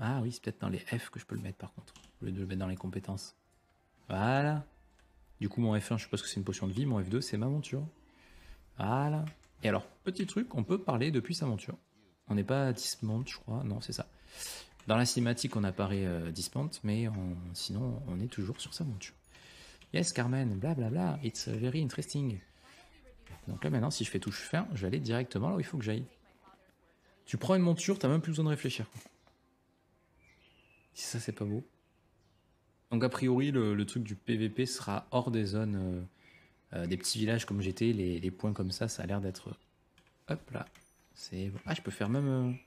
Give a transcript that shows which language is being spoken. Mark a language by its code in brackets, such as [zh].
[fr] Ah oui, c'est peut-être dans les F que je peux le mettre par contre. Au lieu de le mettre dans les compétences. Voilà. Du coup, mon F1, je suppose que c'est une potion de vie. Mon F2, c'est ma monture. Voilà. Et alors, petit truc, on peut parler depuis sa monture. On n'est pas à Dismount, je crois. Non, c'est ça. Dans la cinématique, on apparaît Dismount, mais sinon, on est toujours sur sa monture. [en] Yes, Carmen, blablabla, it's very interesting. [fr] Donc là, maintenant, si je fais touche fin, je vais aller directement là où il faut que j'aille. Tu prends une monture, t'as même plus besoin de réfléchir. Si ça, c'est pas beau. Donc a priori, le truc du PVP sera hors des zones... des petits villages comme j'étais, les points comme ça, ça a l'air d'être... Hop là, c'est bon. Ah, je peux faire même...